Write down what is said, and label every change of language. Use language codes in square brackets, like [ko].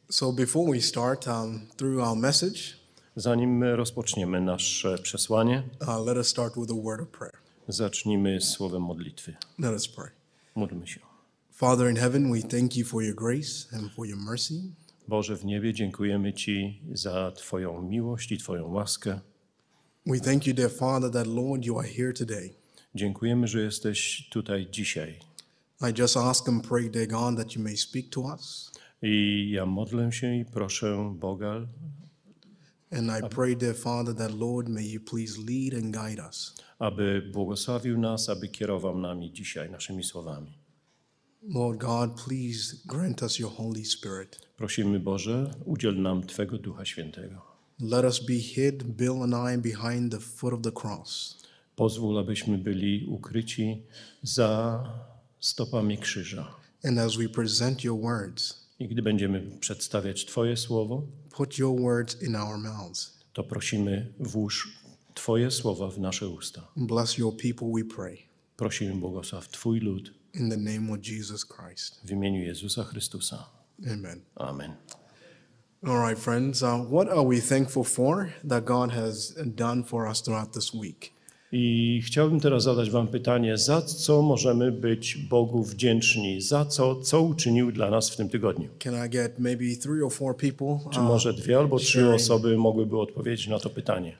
[en] So before we start through our message, [pl] zanim rozpoczniemy nasze przesłanie, [en] let us start with a word of prayer. [pl] Zacznijmy słowem modlitwy. [en] Let us pray. [pl] Módlmy się. [en] Father in heaven, we thank you for your grace and for your mercy. [pl] Boże w niebie, dziękujemy Ci za Twoją miłość i Twoją łaskę. [en] We thank you, dear Father, that Lord, you are here today. [pl] Dziękujemy, że jesteś tutaj dzisiaj. [en] I just ask and pray, dear God, that you may speak to us. [pl] I ja modlę się i proszę Boga. [en] And I pray, dear Father, that Lord, may you please lead and guide us. [pl] Aby błogosławił nas, aby kierował nami dzisiaj naszymi słowami. [en] Lord God, please grant us your Holy Spirit. [pl] Prosimy Boże, udziel nam Twego Ducha Świętego. [en] Let us be hid, Bill and I, behind the foot of the cross. [pl] Pozwól, abyśmy byli ukryci za stopami krzyża. [en] And as we present your words, [pl] i gdy będziemy przedstawiać Twoje słowo, [en] put your words in our mouths. [pl] To prosimy, włóż Twoje słowa w nasze usta. [en] Bless your people, we pray. [pl] Prosimy, błogosław Twój lud. [en] In the name of Jesus Christ. [pl] W imieniu Jezusa Chrystusa. [en] Amen. [pl] Amen. [en] All right, friends, what are we thankful for that God has done for us throughout this week? [pl] I chciałbym teraz zadać wam pytanie, za co możemy być Bogu wdzięczni? Za co, co uczynił dla nas w tym tygodniu? [en] Can I get maybe three or four people, [pl] czy może dwie albo trzy osoby mogłyby odpowiedzieć na to pytanie?